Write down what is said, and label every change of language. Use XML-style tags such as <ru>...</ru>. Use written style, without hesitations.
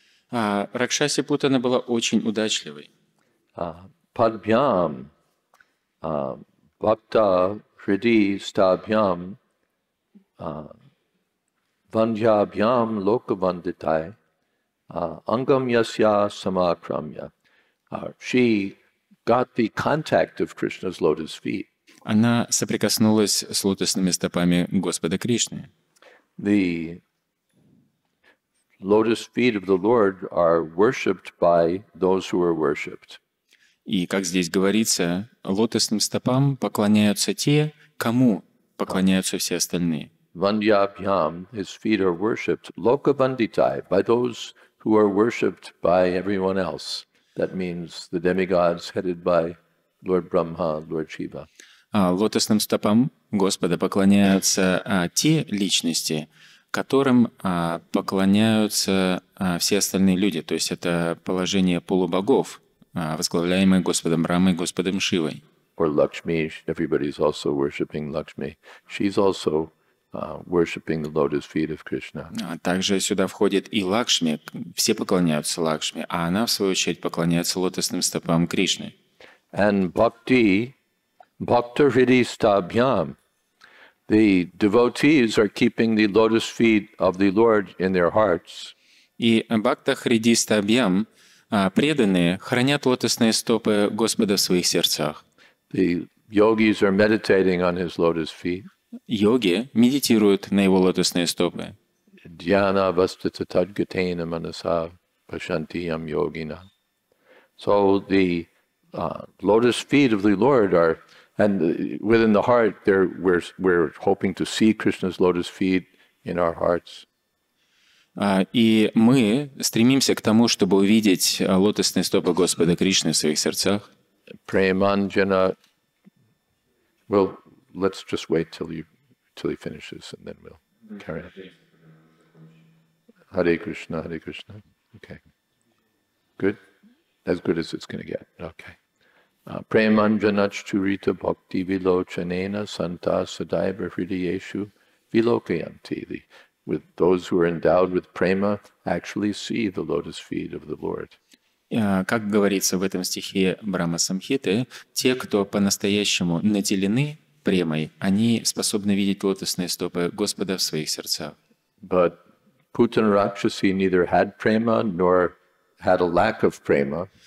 <ru>Ракшаси Путана была очень удачливой.</ru> <sa>Падбьям, бхакта хриди стабьям, вандьябьям локавандитай, ангам ясья самакрамья.</sa> <en>She got the contact of Krishna's lotus feet.</en> <ru>Она соприкоснулась с лотосными стопами Господа Кришны.</ru> <en>The lotus feet of the Lord are worshipped by those who are worshipped.</en> <ru>И как здесь говорится, лотосным стопам поклоняются те, кому поклоняются все остальные.</ru> <en>Vandyabhyam, his feet are worshipped, lokavanditai, by those who are worshipped by everyone else. That means the demigods headed by Lord Brahma, Lord Shiva.</en> <ru>Лотосным стопам Господа поклоняются те личности, которым поклоняются все остальные люди. То есть это положение полубогов, возглавляемое Господом Рамой, Господом Шивой.</ru> <en>Or Lakshmi, everybody's also worshipping Lakshmi. She's also worshipping the lotus feet of Krishna.</en> <ru>Также сюда входит и Лакшми. Все поклоняются Лакшми, а она, в свою очередь, поклоняется лотосным стопам Кришны.</ru> <sa>And bhakti, bhakta hridi stabhyam.</sa> <en>The devotees are keeping the lotus feet of the Lord in their hearts.</en> <ru>И</ru> <sa>бхакта хриди стабьям,</sa> <ru>преданные хранят лотосные стопы Господа в своих сердцах.</ru> <en>The yogis are meditating on his lotus feet.</en> <ru>Йоги медитируют на его лотосные стопы.</ru> <sa>Dhyana vastita tadgatena manasa pashantiyam yogina.</sa> <en>So the lotus feet of the Lord are, and within the heart, there we're hoping to see Krishna's lotus feet in our hearts.</en> <ru>И мы стремимся к тому, чтобы увидеть лотосные стопы Господа Кришны в своих сердцах.</ru> <sa>Преманджана.</sa> <en>Well, let's just wait till he finishes, and then we'll carry on. Hare Krishna, Hare Krishna. Okay. Good. As good as it's going to get. Okay.</en> <sa>Premanjanachchurita bhakti vilochanena santa sadaiva hridayeshu vilokayanti.</sa> <en>With those who are endowed with prema actually see the lotus feet of the Lord.</en> <ru>Как говорится в этом стихе Брахма Самхиты, те, кто по-настоящему наделены премой, они способны видеть лотосные стопы Господа в своих сердцах.</ru> <en>But Putana Rakshasi neither had prema nor had a lack of prema.</en>